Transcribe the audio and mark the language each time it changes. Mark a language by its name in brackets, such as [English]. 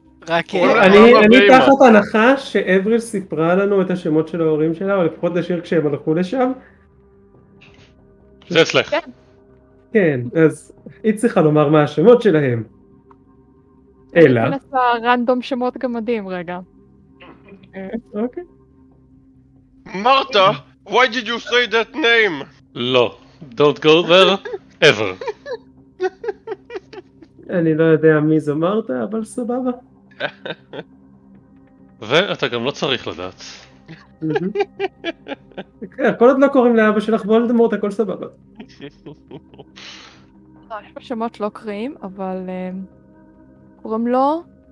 [Hebrew] אני תחת הנחה שאבריל סיפרה לנו את השמות של ההורים שלה, או לפחות לשיר כשהם הלכו לשם. זה אצלך. כן, אז היא צריכה לומר מה השמות שלהם. אלא... אני מנסה רנדום שמות גמדים רגע. אוקיי. [English] Marta, why did you say that name? [Hebrew] לא, [English] don't go there, ever. [Hebrew] אני לא יודע מי זה מרתה, אבל סבבה. ואתה גם לא צריך לדעת. כל עוד לא קוראים לאבא שלך וולדמורט, הכל סבבה. יש פה שמות לא קריאים, אבל קוראים לו?